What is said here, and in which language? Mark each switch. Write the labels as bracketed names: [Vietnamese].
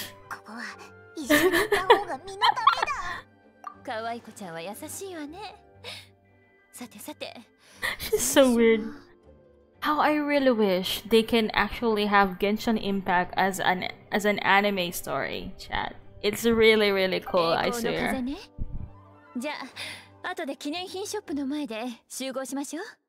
[Japanese] ここは一緒にいた方が身のためだ。可愛い子ちゃんは優しいわね。さてさて。 [English] So weird. How I really wish they can actually have Genshin Impact as an anime story, chat. It's really, really cool, I swear. [Japanese] じゃあ、後で記念品ショップの前で集合しましょう。